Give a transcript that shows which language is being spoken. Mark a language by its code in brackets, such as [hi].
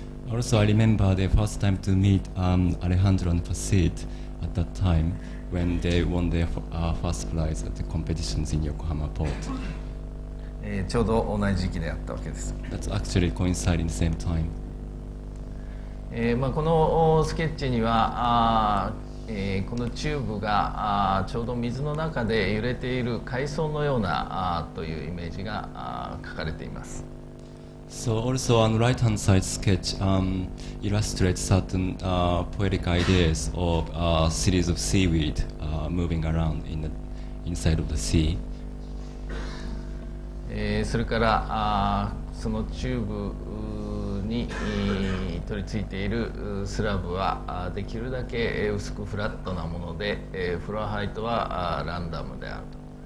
[en] Also, I remember the first time to meet Alejandro and Facit at that time when they won their first prize at the competitions in Yokohama Port. [ja] ちょうど同じ時期であったわけです。 [en] That's actually coinciding the same time. [ja] まあ、このスケッチには、このチューブがちょうど水の中で揺れている海藻のようなというイメージが書かれています。 [en] So also on the right-hand side sketch illustrates certain poetic ideas of a series of seaweed moving around in the inside of the sea. [ja] それからそのチューブに取り付いているスラブはできるだけ薄くフラットなもので、フロアハイトはランダムであると。